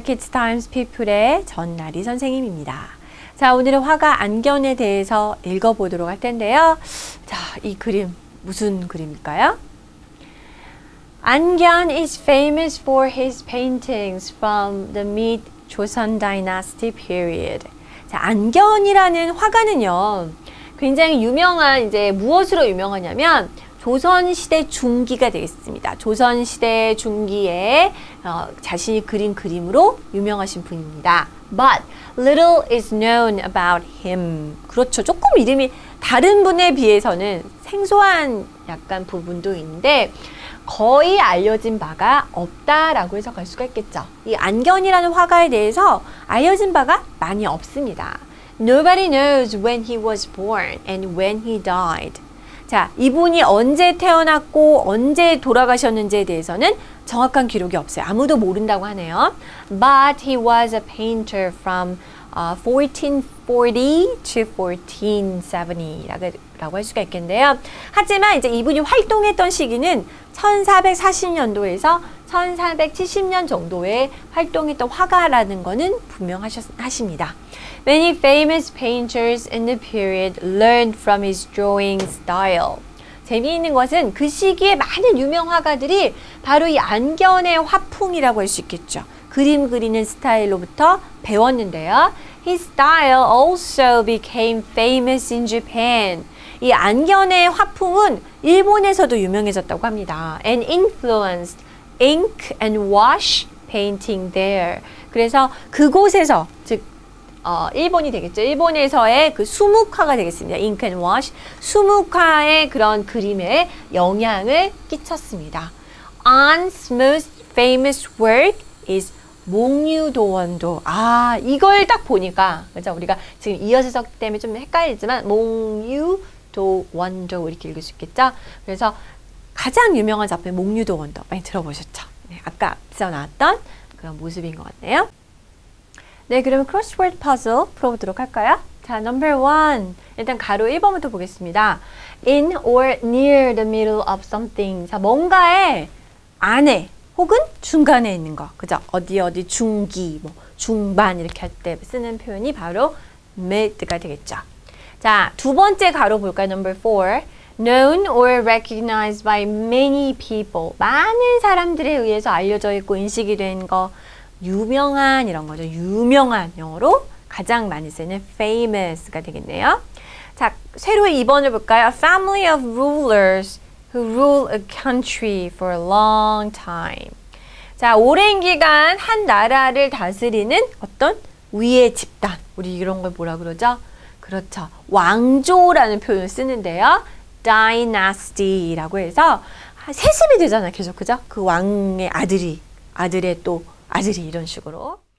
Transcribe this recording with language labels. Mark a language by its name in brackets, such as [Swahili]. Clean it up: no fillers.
[Korean] 키즈타임즈 피플의 전나리 선생님입니다. 자, 오늘은 화가 안견에 대해서 읽어보도록 할 텐데요. 자, 이 그림 무슨 그림일까요? [English] 안견 is famous for his paintings from the mid Joseon dynasty period. [Korean] 자, 안견이라는 화가는요, 굉장히 유명한, 이제 무엇으로 유명하냐면, 조선시대 중기가 되겠습니다. 조선시대 중기에 자신이 그린 그림으로 유명하신 분입니다. [English] But little is known about him. [Korean] 그렇죠. 조금 이름이 다른 분에 비해서는 생소한 약간 부분도 있는데 거의 알려진 바가 없다라고 해석할 수가 있겠죠. 이 안견이라는 화가에 대해서 알려진 바가 많이 없습니다. [English] Nobody knows when he was born and when he died. [Korean] 자, 이분이 언제 태어났고 언제 돌아가셨는지에 대해서는 정확한 기록이 없어요. 아무도 모른다고 하네요. [English] But he was a painter from 1440 to 1470라고 [Korean] 할 수가 있겠는데요. 하지만 이제 이분이 활동했던 시기는 1440년도에서 1470년 정도에 활동했던 화가라는 거는 분명하십니다. [English] Many famous painters in the period learned from his drawing style. [Korean] 재미있는 것은 그 시기에 많은 유명 화가들이 바로 이 안견의 화풍이라고 할 수 있겠죠. 그림 그리는 스타일로부터 배웠는데요. [English] His style also became famous in Japan. [Korean] 이 안견의 화풍은 일본에서도 유명해졌다고 합니다. [English] And influenced ink and wash painting there. [Korean] 그래서 그곳에서, 즉 일본이 되겠죠. 일본에서의 그 수묵화가 되겠습니다. [English] Ink and wash. [Korean] 수묵화의 그런 그림에 영향을 끼쳤습니다. [English] An's most famous work is 몽유도원도. [Korean] 아, 이걸 딱 보니까, 그렇죠? 우리가 지금 이어서 썼기 때문에 좀 헷갈리지만 몽유도원도 이렇게 읽을 수 있겠죠. 그래서 가장 유명한 작품 몽유도원도 많이 들어보셨죠. 네, 아까 앞서 나왔던 그런 모습인 것 같네요. 네, 그럼 크로스워드 퍼즐 풀어보도록 할까요? 자, 1. 일단 가로 1번부터 보겠습니다. [English] In or near the middle of something. [Korean] 자, 뭔가에 안에 혹은 중간에 있는 거. 그죠? 어디 어디 중기, 뭐 중반 이렇게 할 때 쓰는 표현이 바로 mid가 되겠죠. 자, 두 번째 가로 볼까요? 4. [English] Known or recognized by many people. [Korean] 많은 사람들에 의해서 알려져 있고 인식이 된 거. 유명한 이런 거죠. 유명한 영어로 가장 많이 쓰는 famous가 되겠네요. 자, 새로 2번을 볼까요? [English] A family of rulers who rule a country for a long time. [Korean] 자, 오랜 기간 한 나라를 다스리는 어떤 위의 집단. 우리 이런 걸 뭐라 그러죠? 그렇죠. 왕조라는 표현을 쓰는데요. dynasty라고 해서 세습이 되잖아요. 계속, 그죠? 그 왕의 아들이, 아들의 또 아들이 이런 식으로.